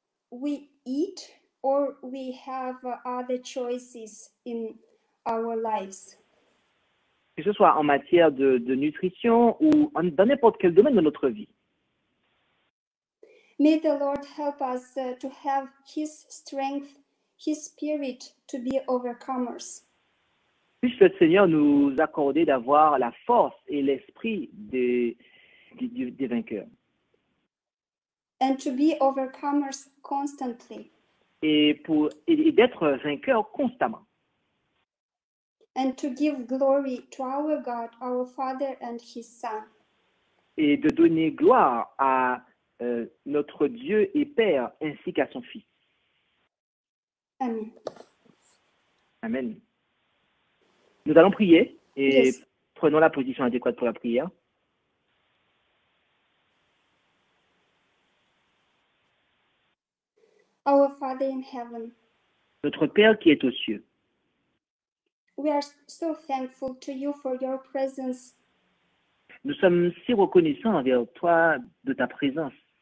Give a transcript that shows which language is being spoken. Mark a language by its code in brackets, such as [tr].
[en] We eat or we have other choices in our lives. [fr] Que ce soit en matière de nutrition ou dans n'importe quel domaine de notre vie. [en] May the Lord help us to have His strength, His spirit to be overcomers. [fr] Puisse le Seigneur nous accorder d'avoir la force et l'esprit des vainqueurs. [en] And to be overcomers constantly. [fr] Et d'être vainqueur constamment. [en] And to give glory to our God, our Father, and His Son. [fr] Et de donner gloire à notre Dieu et Père, ainsi qu'à son Fils. [en] Amen. [fr] Amen. Nous allons prier et yes. Prenons la position adéquate pour la prière. [en] Our Father in heaven. [fr] Notre Père qui est aux cieux. [en] We are so thankful to you for your presence. [fr] Nous sommes si reconnaissants envers toi de ta présence.